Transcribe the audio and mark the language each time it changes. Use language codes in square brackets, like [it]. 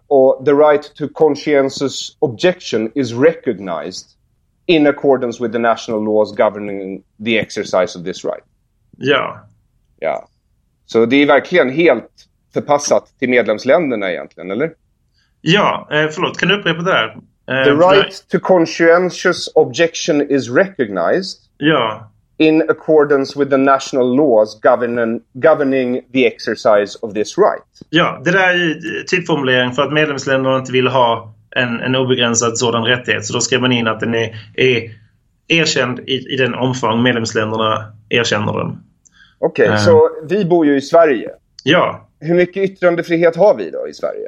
[sv] Och [en] the right to conscientious objection is recognized in accordance with the national laws governing the exercise of this right. [sv] Ja. Ja. Så det är verkligen helt förpassat till medlemsländerna egentligen, eller? Ja, förlåt, kan du upprepa det där? [en] The right to conscientious objection is recognized in accordance with the national laws governing the exercise of this right. [sv] Ja, det där är ju typformulering för att medlemsländerna inte vill ha en obegränsad sådan rättighet. Så då skriver man in att den är erkänd i den omfång medlemsländerna erkänner den. Okej, okay, så vi bor ju i Sverige. Ja. Hur mycket yttrandefrihet har vi då i Sverige?